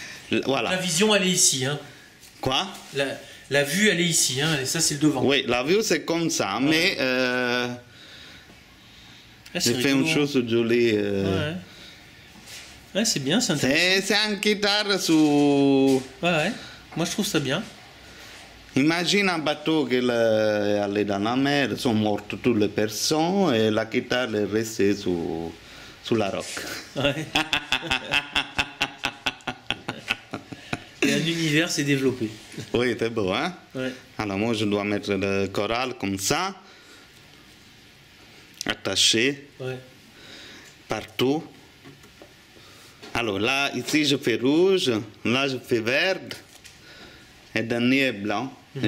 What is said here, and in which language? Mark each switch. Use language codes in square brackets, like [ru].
[fr] La vision elle est ici, hein. Quoi? La vue elle est ici, hein. Et ça c'est le devant. Oui, la vue c'est comme ça, ouais. Mais j'ai fait une chose jolie. Ouais. Ouais, c'est bien, c'est intéressant. C'est un guitare sous. Ouais, ouais. Moi je trouve ça bien. [it] Immagina un bateau che è [fr] allé dans la mer, [it] sono morte tutte le persone e la chitarra è resta sulla rocca. [fr] Ouais. Et un univers s'est développé. Oui, c'est beau, hein? Ouais. Alors moi je dois mettre le coral comme ça, attaché, ouais. Partout. Alors là, ici je fais rouge, là je fais vert, et dernier est blanc. Mm-hmm.